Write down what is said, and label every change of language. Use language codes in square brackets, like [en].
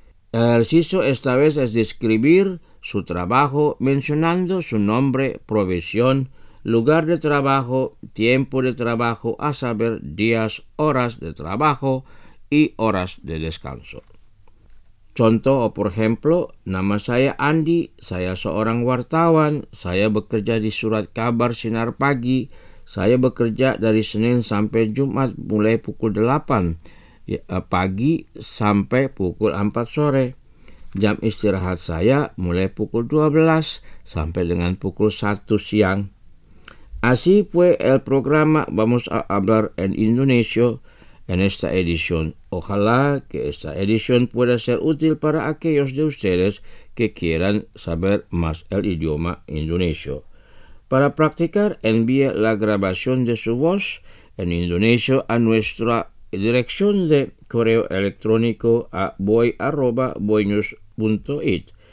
[es] El ejercicio esta vez es describir su trabajo mencionando su nombre, profesión, lugar de trabajo, tiempo de trabajo, a saber, días, horas de trabajo y horas de descanso. [id] Contoh, [es] por ejemplo, [id] nama saya Andy, saya seorang wartawan, saya bekerja di Surat Kabar Sinar Pagi, saya bekerja dari Senin sampai Jumat mulai pukul 8 pagi sampai pukul 4 sore. Jam istirahat saya mulai pukul 12 sampai dengan pukul 1 siang. [es] Así fue el programa Vamos a Hablar en Indonesio en esta edición. Ojalá que esta edición pueda ser útil para aquellos de ustedes que quieran saber más el idioma indonesio. Para practicar, envíe la grabación de su voz en indonesio a nuestra dirección de correo electrónico a boy@boynews.it.